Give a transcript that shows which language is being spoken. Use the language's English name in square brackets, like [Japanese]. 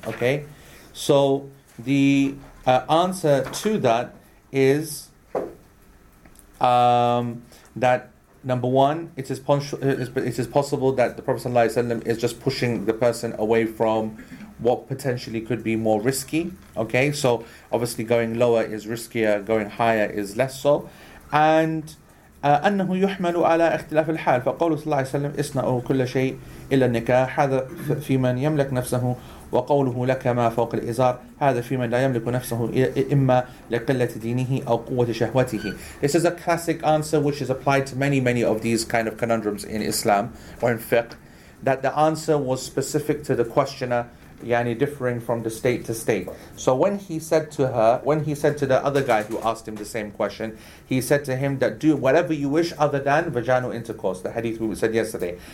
[English] Okay, so the answer to that is that number one, it is possible that the Prophet sallallahu alaihi wasallam is just pushing the person away from what potentially could be more risky. Okay, so obviously going lower is riskier, going higher is less so. And [Arabic] أنه يحمل على اختلاف الحال فقول صلى الله عليه وسلم اصنعوا كل شيء إلى النكاح هذا في من يملك نفسه وقوله لك ما فوق الإزار هذا في من لا يملك نفسه إما لقلة دينه أو قوة شهوته. [English] This is a classic answer which is applied to many, many of these kind of conundrums in Islam or in fiqh, that the answer was specific to the questioner, yani differing from the state to state. So when he said to her, when he said to the other guy who asked him the same question, he said to him that do whatever you wish other than vaginal intercourse, the hadith we said yesterday.